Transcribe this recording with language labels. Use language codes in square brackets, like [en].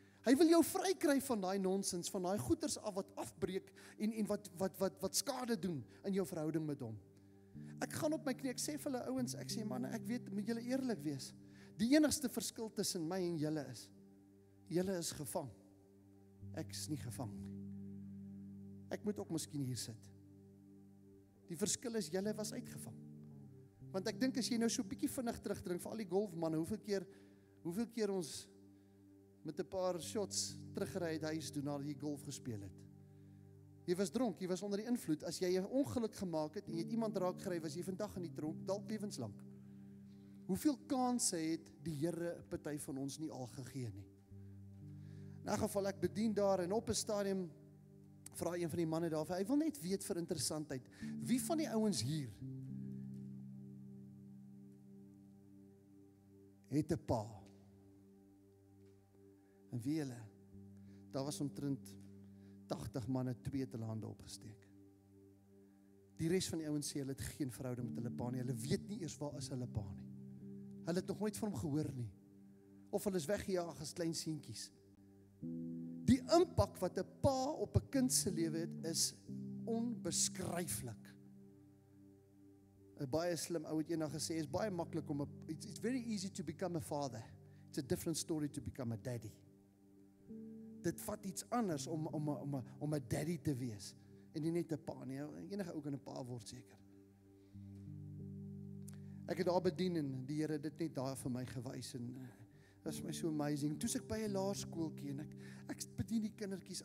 [af] Hy wil jou vrykry van daai nonsens, van daai goeders af wat afbreek en wat skade doen in jou verhouding met hom. Ek gaan op my knie, ek sê vir hulle ouens, ek sê manne, ek weet, moet julle eerlik wees. Die enigste verskil tussen my en julle is, julle is gevang. Ek is nie gevang nie. Ek moet ook miskien hier sit. Die verskil is, julle was uitgevang. Want ek dink as jy nou so 'n bietjie vinnig terugdrink vir al die golfmanne, hoeveel keer ons met 'n paar shots teruggery het huis toe nadat jy golf gespeel het. Jy was dronk, jy was onder die invloed. As jy 'n ongeluk gemaak het en jy het iemand raak gery, was jy vandag in die tronk, dalk lewenslank. Hoeveel kansse het die Here party van ons nie al gegee nie? In 'n geval, ek bedien daar en op 'n stadium vra een van die manne daar, hy wil net weet vir interessantheid, wie van die ouens hier het 'n pa? En wie julle, daar was omtrent 80 manne, 2 te lande opgesteek. Die res van die ouens sê, hulle het geen verhouding met hulle pa nie, hulle weet nie eers waar is hulle pa nie. Hulle het nog nooit van hom gehoor nie. Of hulle is weggejaag as klein seentjies. Die impak wat 'n pa op 'n kind se lewe het, is onbeskryflik. 'n Baie slim ou het eendag gesê, is baie maklik om, [en] it's very easy to become a father. It's a different story to become a daddy. [af] Dit vat iets anders om 'n daddy te wees. En nie net 'n pa nie. Enige ou kan 'n pa word seker. Ek het daar bedien en die Here het dit net daar vir my gewys en dit was my so amazing. Toe's ek by 'n laerskoolkie en ek bedien die kindertjies.